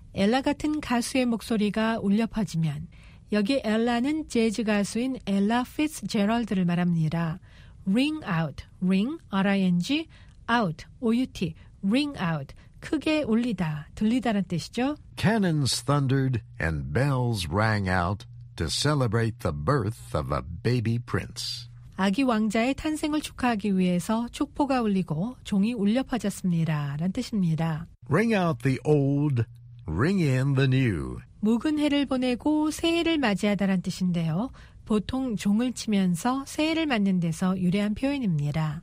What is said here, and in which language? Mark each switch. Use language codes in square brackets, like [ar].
[ko] 엘라 같은 가수의 목소리가 울려 퍼지면 여기 엘라는 재즈 가수인 엘라 피츠제럴드를 말합니다. [en] Ring out, ring, R-I-N-G, out, O-U-T, ring out, [ko] 크게 울리다, 들리다란 뜻이죠. [en] Cannons thundered and bells rang out to celebrate the birth of a baby prince. [ko] 아기 왕자의 탄생을 축하하기 위해서 축포가 울리고 종이 울려 퍼졌습니다라는 뜻입니다. [en] Ring out the old, ring in the new. [ko] 묵은 해를 보내고 새해를 맞이하다란 뜻인데요. 보통 종을 치면서 새해를 맞는 데서 유래한 표현입니다.